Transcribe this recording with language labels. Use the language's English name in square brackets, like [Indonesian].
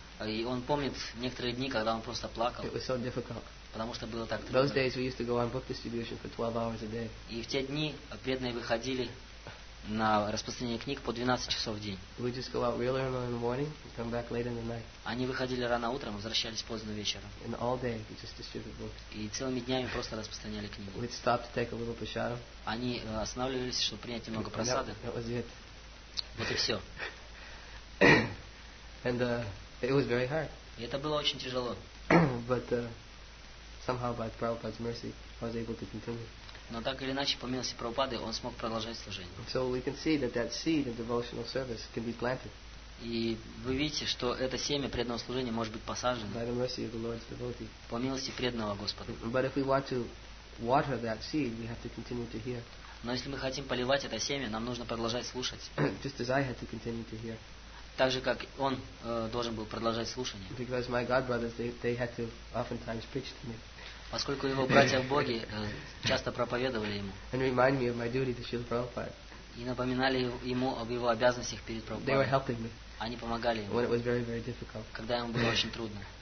[Russian] И он помнит некоторые дни, когда он просто плакал. [English] It was so difficult. [Russian] Потому что было так трудно. [English] Those days we used to go on book distribution for 12 hours a day. [Russian] И в те дни преданные выходили на распространение книг по 12 часов в день. [English] We just go out really early in the morning and come back late in the night. [Russian] Они выходили рано утром, возвращались поздно вечером. [English] And all day we just distributed books. [Russian] И целыми днями просто распространяли книги. [English] We'd stop to take a little prasadam. [Russian] Они останавливались, чтобы принять немного просады. [English] That was it. [Russian] Вот и все. [English] And it was very hard. [Russian] И это было очень тяжело. [English] But somehow by Prabhupada's mercy, I was able to continue. [Russian] Но так или иначе, по милости Прабхупады, он смог продолжать служение. [English] So we can see that seed of devotional service can be planted. [Russian] И вы видите, что это семя преданного служения может быть посажено. [English] By the mercy of the Lord's devotee. [Russian] По милости преданного Господа. [English] But if we want to water that seed, we have to continue to hear. [Russian] Но если мы хотим поливать это семя, нам нужно продолжать слушать. [English] Just as I had to continue to hear. [Russian] Так же, как он должен был продолжать слушание. [English] Because my God brothers, they had to oftentimes preach to me. [Russian] Поскольку его братья в Боге часто проповедовали ему. [English] And remind me of my duty to Srila Prabhupada. [Russian] И напоминали ему об его обязанностях перед Прабхупадой. [English] They were helping me. [Russian] Они помогали ему. [English] When it was very, very difficult. [Russian] Когда ему было очень трудно.